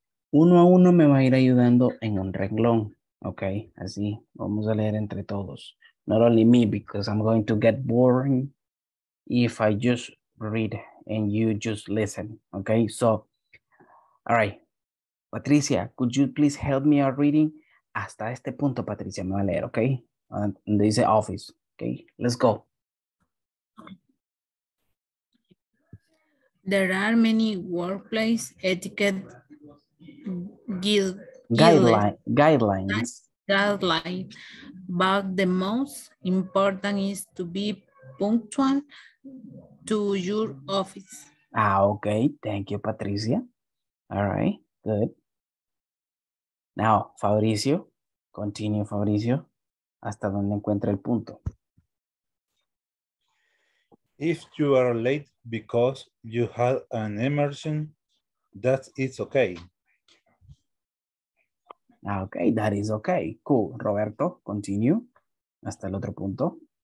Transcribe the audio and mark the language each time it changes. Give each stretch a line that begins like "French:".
Spanish: Uno a uno me va a ir ayudando en un renglón. Ok, así vamos a leer entre todos.
English: Not only me, because I'm going to get boring if I just read and you just listen. Ok, so, all right. Patricia, could you please help me out reading?
Spanish: Hasta este punto, Patricia, me va a leer, ok?
English: And this is the office. Ok, let's go. There are many workplace etiquette guidelines, but the most important is to be punctual to your office. Ah, okay. Thank you, Patricia. All right, good. Now, Fabricio, continue,
Spanish: Fabricio, hasta donde encuentra el punto.
English: If you are late because you had an emergency, that is okay. Okay, that is okay. Cool. Roberto, continue
Spanish: hasta el otro punto.